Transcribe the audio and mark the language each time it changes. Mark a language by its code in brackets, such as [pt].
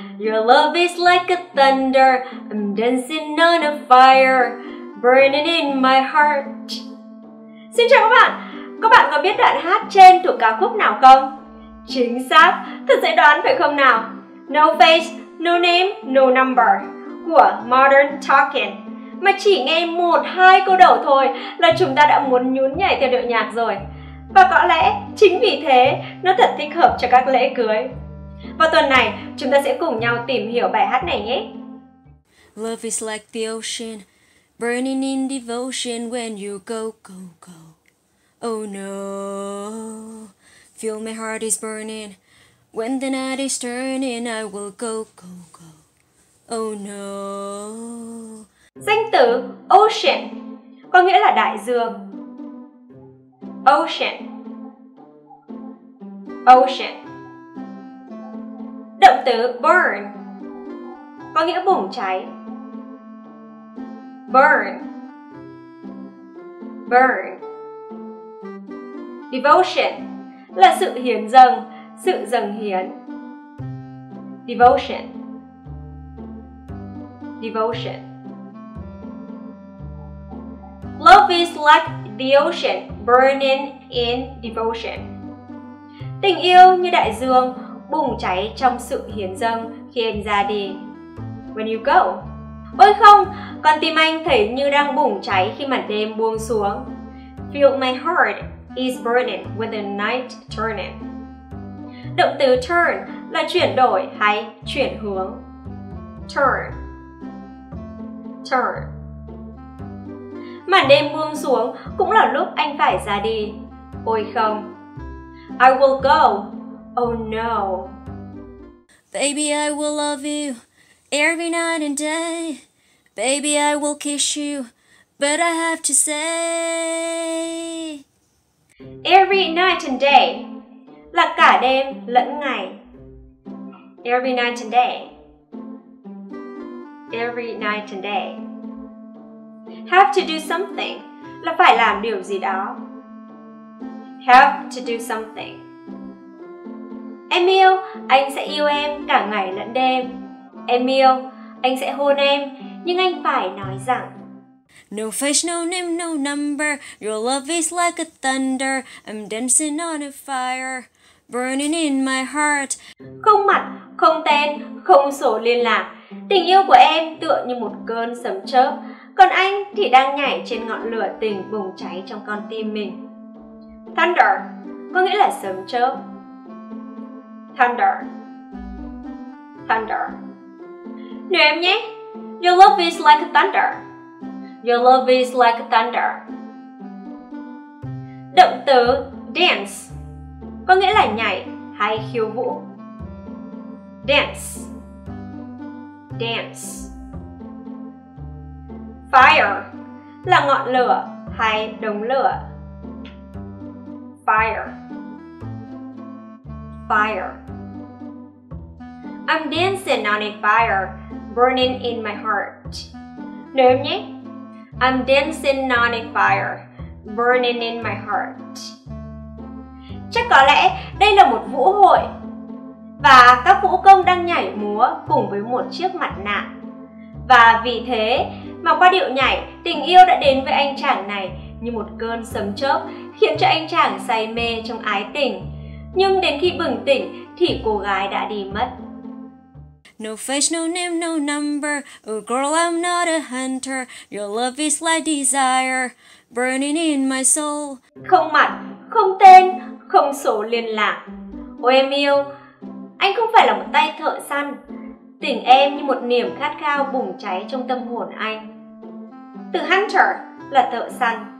[en] Your love is like a thunder. I'm dancing on a fire, burning in my heart. [vi] Xin chào các bạn có biết đoạn hát trên thuộc ca khúc nào không? Chính xác, thật dễ đoán phải không nào? [en] No face, no name, no number [vi] của Modern Talking. Mà chỉ nghe một hai câu đầu thôi là chúng ta đã muốn nhún nhảy theo điệu nhạc rồi. Và có lẽ chính vì thế nó thật thích hợp cho các lễ cưới. Và tuần này chúng ta sẽ cùng nhau tìm hiểu bài hát này nhé. [en] Love is like the ocean, burning in devotion when you go, go, go. Oh no, feel my heart is burning. When the night is turning, I will go, go, go. Oh no. [vi] Danh từ ocean có nghĩa là đại dương. [en] Ocean, ocean. [vi] Động từ burn có nghĩa bùng cháy. [en] Burn, burn. [vi] Devotion là sự hiến dâng, sự dâng hiến. [en] Devotion, devotion. Love is like the ocean, burning in devotion. [vi] Tình yêu như đại dương, bùng cháy trong sự hiến dâng khi anh ra đi. [en] When you go. [vi] Ôi không, con tim anh thấy như đang bùng cháy khi màn đêm buông xuống. [en] Feel my heart is burning when the night turning. [vi] Động từ turn là chuyển đổi hay chuyển hướng. Turn, turn. Màn đêm buông xuống cũng là lúc anh phải ra đi. Ôi không. [en] I will go. Oh no. Baby, I will love you every night and day. Baby, I will kiss you, but I have to say. Every night and day [vi] là cả đêm lẫn ngày. [en] Every night and day. Every night and day. Have to do something [vi] là phải làm điều gì đó. [en] Have to do something. [vi] Em yêu, anh sẽ yêu em cả ngày lẫn đêm. Em yêu, anh sẽ hôn em, nhưng anh phải nói rằng. [en] No face, no name, no number. Your love is like a thunder. I'm dancing on a fire, burning in my heart. [vi] Không mặt, không tên, không sổ liên lạc. Tình yêu của em tựa như một cơn sấm chớp. Còn anh thì đang nhảy trên ngọn lửa tình bùng cháy trong con tim mình. Thunder có nghĩa là sấm chớp. Thunder, thunder. Nếu em nhé. [en] Your love is like a thunder. Your love is like a thunder. [vi] Động từ dance có nghĩa là nhảy hay khiêu vũ. [en] Dance, dance. [vi] Fire là ngọn lửa hay đống lửa. [en] Fire, fire. I'm dancing on a fire, burning in my heart. [vi] Nếu em nhé. [en] I'm dancing on a fire, burning in my heart. [vi] Chắc có lẽ đây là một vũ hội và các vũ công đang nhảy múa cùng với một chiếc mặt nạ. Và vì thế mà qua điệu nhảy, tình yêu đã đến với anh chàng này như một cơn sấm chớp, khiến cho anh chàng say mê trong ái tình. Nhưng đến khi bừng tỉnh thì cô gái đã đi mất. [en] No face, no name, no number. Oh girl, I'm not a hunter. Your love is like desire, burning in my soul. [vi] Không mặt, không tên, không số liên lạc. Ôi em yêu, anh không phải là một tay thợ săn. Tình em như một niềm khát khao bùng cháy trong tâm hồn anh. Từ hunter là thợ săn.